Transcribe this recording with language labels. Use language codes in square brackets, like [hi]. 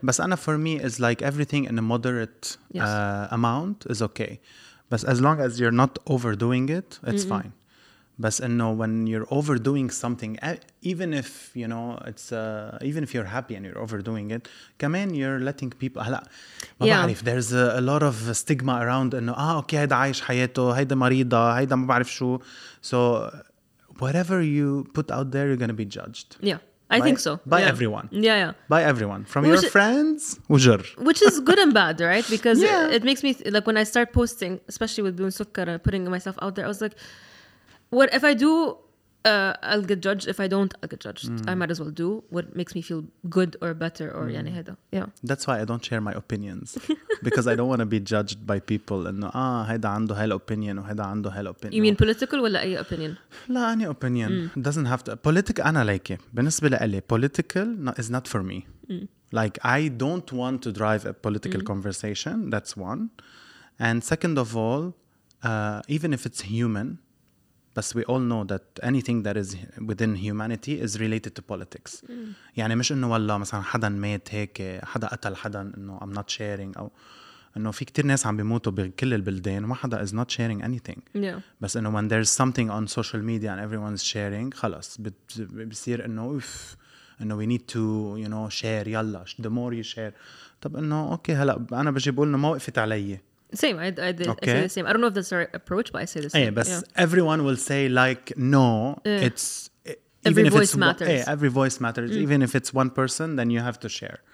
[en] But Anna, for me, is like everything in a moderate amount is okay. But as long as you're not overdoing it, it's fine. But you know, when you're overdoing something, even if you know it's even if you're happy and you're overdoing it, come in, you're letting people. [ar] هلا, ما بعرف, [en] there's a lot of stigma around. And okay, [ar] هيدا عايش حياته, هيدا مريضة, هيدا ما بعرف شو. [en] So whatever you put out there, you're gonna be judged. Yeah. I think so. By everyone. Yeah, yeah. By everyone. From your friends, ujr. Which is good and bad, right? Because it makes me, like when I start posting, especially with Bun Sukkar, putting myself out there, I was like, what if I do, I'll get judged. If I don't, I'll get judged. I might as well do what makes me feel good or better or [ar] yani hada. [en] Yeah. That's why I don't share my opinions. Because I don't want to be judged by people. And, [ar] hada andu hal [en] opinion, hada andu hal opinion. You mean political or any opinion? La, any opinion. Doesn't have to. Political, ana like it. [ar] بالنسبة لي, [en] political is not for me. Like, I don't want to drive a political conversation. That's one. And second of all, even if it's human, but we all know that anything that is within humanity is related to politics. [ar] يعني مش إنه والله مثلاً حدا مات هيك, حدا قتل حدا, إنه [en] I'm not sharing, [ar] أو إنه في كتير ناس عم بيموتوا بكل البلدين وما حدا [en] is not sharing anything. Yeah. بس إنه when there's something on social media and everyone's sharing, [ar] خلاص بصير إنه أوف, إنه [en] we need to you know share, يلا the more you share. [ar] طب إنه أوكي هلا أنا بجي بقول إنه ما وقفت علي. [en] Same, I did okay. I say the same. I don't know if that's the right approach, but I say the same. Yeah, but everyone will say like, no, it's every voice matters. Yeah, every voice matters. Mm. Even if it's one person, then you have to share.